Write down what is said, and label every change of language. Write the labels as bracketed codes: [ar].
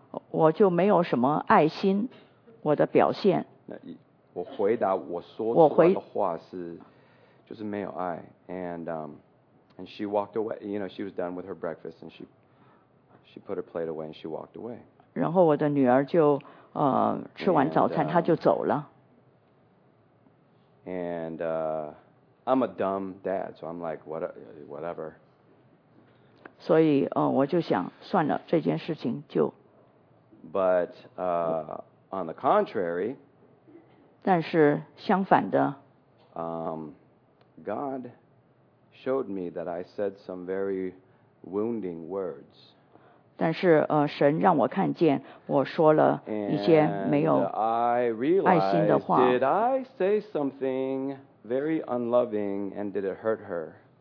[zh] 我就没有什么爱心我的表现我回答我说出来的话是就是没有爱 [en] and,、and she walked away you know she was done with her breakfast and she put her plate away and she walked away [zh] 然后我的女儿就吃完早餐 [en] and, [zh] 她就走了 [en] And、I'm a dumb dad, so I'm like, whatever. [zh] 所以、我就想算了这件事情就。 [en] But、on the contrary, [zh] 但是相反的、 [en] God showed me that I said some very wounding words. [zh] 但是、神让我看见我说了一些没有爱心的话。 [en] And I realized, did I say something very unloving and did it hurt her?